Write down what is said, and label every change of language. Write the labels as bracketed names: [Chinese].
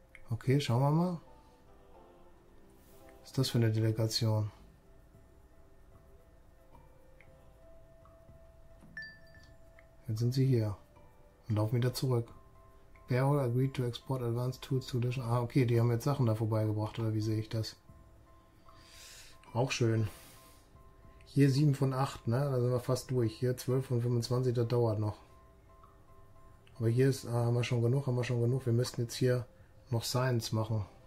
[German] Okay, schauen wir mal. Was ist das für eine Delegation? Jetzt sind sie hier und laufen wieder zurück. [English] Bearhole agreed to export advanced tools to the. [German] Ah, okay, die haben jetzt Sachen da vorbeigebracht, oder wie sehe ich das? Auch schön. Hier 7 von 8, ne? Da sind wir fast durch. Hier 12 von 25, das dauert noch. Aber hier ist, haben wir schon genug, haben wir schon genug. Wir müssten jetzt hier noch Science machen.